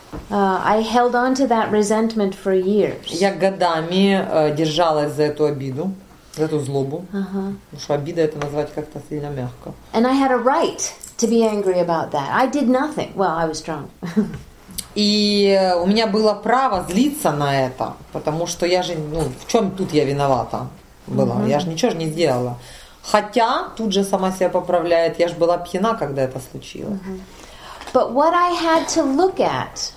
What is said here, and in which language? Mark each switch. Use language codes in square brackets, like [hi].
[en] I held on to that resentment for years. [ru] Я годами держалась за эту обиду. За эту злобу. Потому что обида это назвать как-то сильно мягко. [en] And I had a right to be angry about that. I did nothing. Well, I was drunk. [ru] И у меня было право злиться на это, потому что я же, ну, в чем тут я виновата была? Я же ничего же не сделала. Хотя тут же сама себя поправляет, я же была пьяна, когда это случилось. [en] But what I had to look at,